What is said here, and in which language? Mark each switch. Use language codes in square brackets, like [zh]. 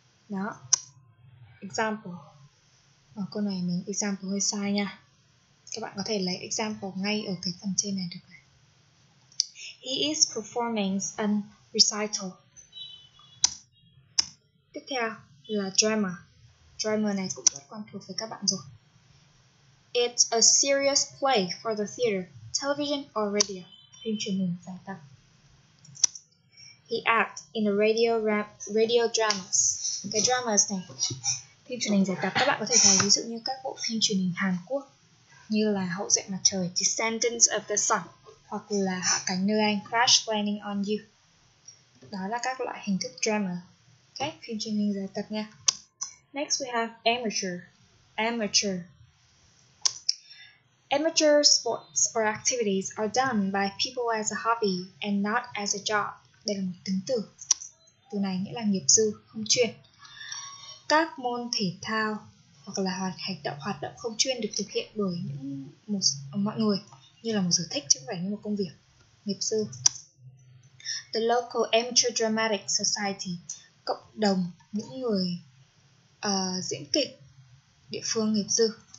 [vi] Đó, example. Ở câu này mình example hơi sai nha. Các bạn có thể lấy example ngay ở cái phần trên này được rồi. [en] He is performing a recital. [vi] Tiếp theo là drama. Drama này cũng rất quen thuộc với các bạn rồi. [en] It's a serious play for the theater, television or radio. [vi] Phim truyền hình, giải tập. [en] He acts in a radio dramas. [vi] Cái dramas này, phim truyền hình giải tập, các bạn có thể thấy ví dụ như các bộ phim truyền hình Hàn Quốc như là Hậu Duệ Mặt Trời, Descendants of the Sun, hoặc là Hạ Cánh Nơi Anh, Crash Landing on You. Đó là các loại hình thức drama. Ok, phim truyền hình giải tập nha. [en] Next we have amateur. Amateur sports or activities are done by people as a hobby and not as a job. [vi] Đây là một tính từ. Từ này nghĩa là nghiệp dư, không chuyên. Các môn thể thao hoặc là hoạt động không chuyên được thực hiện bởi mọi người như là một sở thích chứ không phải như một công việc, nghiệp dư. [en] The local amateur dramatic society, [vi] cộng đồng những người diễn kịch địa phương, nghiệp dư.